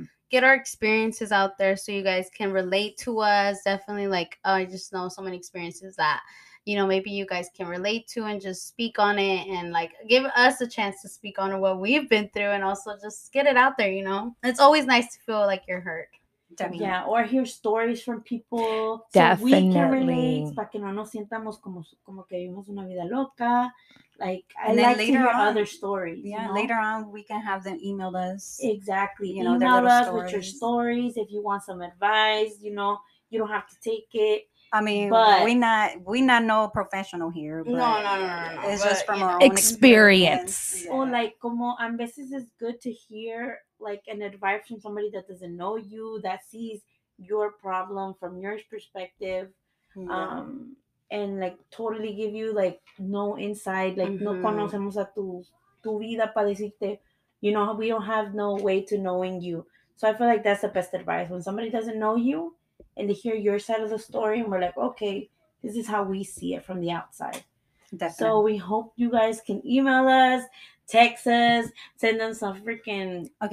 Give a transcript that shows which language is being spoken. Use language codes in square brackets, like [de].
[en] get our experiences out there so you guys can relate to us. Definitely, like, I just know so many experiences that, you know, maybe you guys can relate to and just speak on it and like give us a chance to speak on what we've been through and also just get it out there, you know? It's always nice to feel like you're heard. Yeah, or hear stories from people. Definitely. So we can relate. [es] Para que no nos sientamos como que vivimos una vida loca. [en] Like, other stories. Yeah, you know? Later on, we can have them email us. Exactly. You know, email us with your stories. If you want some advice, you know, you don't have to take it. I mean, but we not no professional here. But no. It's just from our own experience. Yeah. Or like, [es] como a veces [en] it's good to hear like an advice from somebody that doesn't know you, that sees your problem from your perspective, and like totally give you like no insight. [es] Like, no conocemos a tu vida para decirte. [en] You know, we don't have no way to knowing you. So I feel like that's the best advice when somebody doesn't know you. And to hear your side of the story, and we're like, okay, this is how we see it from the outside. Definitely. So we hope you guys can email us, text us, send them some freaking